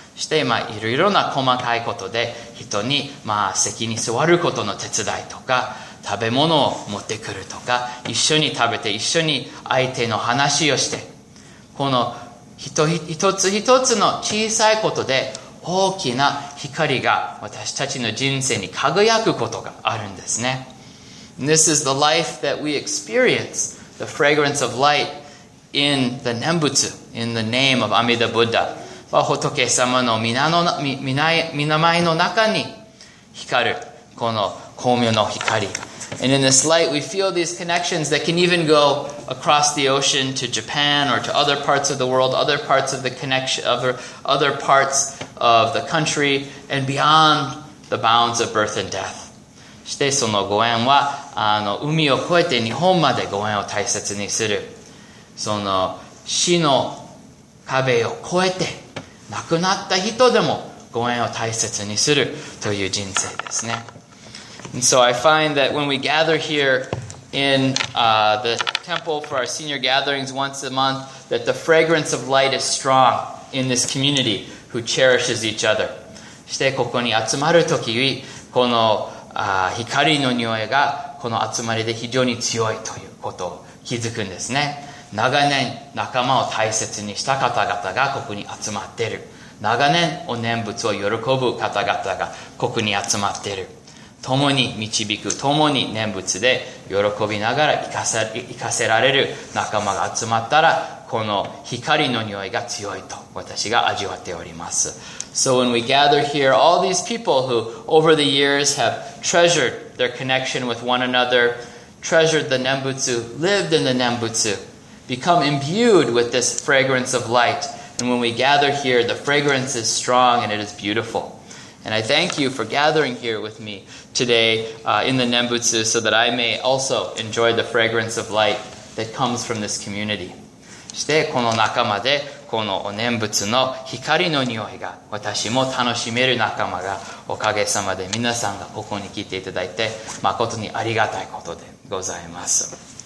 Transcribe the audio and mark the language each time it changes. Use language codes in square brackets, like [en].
[ja] そして、まあ、いろいろな細かいことで人に、まあ、席に座ることの手伝いとか食べ物を持ってくるとか一緒に食べて一緒に相手の話をしてこの一つ一つの小さいことで大きな光が私たちの人生に輝くことがあるんですね。 [en] And this is the life that we experience, the fragrance of light in the Nembutsu, in the name of Amida Buddha. [ja] 仏様の御名の中に光るこの光明の光。 [en] And in this light, we feel these connections that can even go across the ocean to Japan or to other parts of the world, other parts of the connection, other parts of the country, and beyond the bounds of birth and death. [ja] そしてそのご縁は海を越えて日本までご縁を大切にするその死の壁を越えて亡くなった人でもご縁を大切にするという人生ですね。 [en] And so I find that when we gather here in the temple for our senior gatherings once a month that the fragrance of light is strong in this community who cherishes each other. [ja] そしてここに集まるときにこの光の匂いがこの集まりで非常に強いということを気づくんですね。長年仲間を大切にした方々がここに集まっている。長年お念仏を喜ぶ方々がここに集まっている。共に導く、共に念仏で喜びながら生かせられる仲間が集まったら、この光の匂いが強いと私が味わっております。 [en] So when we gather here, all these people who over the years have treasured their connection with one another, treasured the Nembutsu, lived in the Nembutsu, become imbued with this fragrance of light. And when we gather here, the fragrance is strong and it is beautiful. And I thank you for gathering here with me today in the Nembutsu so that I may also enjoy the fragrance of light that comes from this community. [ja] そしてこの仲間でこのお念仏の光の匂いが私も楽しめる仲間がおかげさまで皆さんがここに来ていただいて誠にありがたいことでございます。